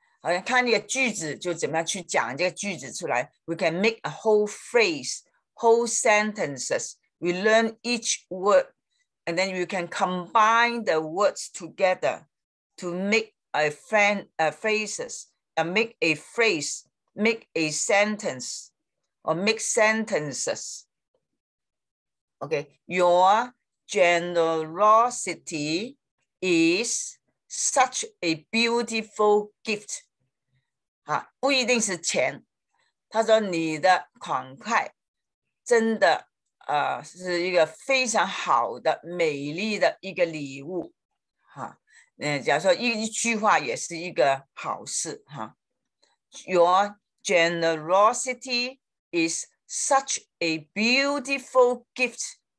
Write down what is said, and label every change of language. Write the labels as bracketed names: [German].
[Chinese] 好像看一个句子，就怎么样去讲这个句子出来。 [English] We can make a whole phrase, whole sentences. We learn each word, and then we can combine the words together. To make a friend, phrases, make a phrase, make a sentence, or make sentences. Okay, your generosity is such a beautiful gift. [Chinese] 啊，不一定是钱。他说你的慷慨真的是一个非常好的美丽的一个礼物。假如说 一句话也是一个好事哈。 [English] Your generosity is such a beautiful gift.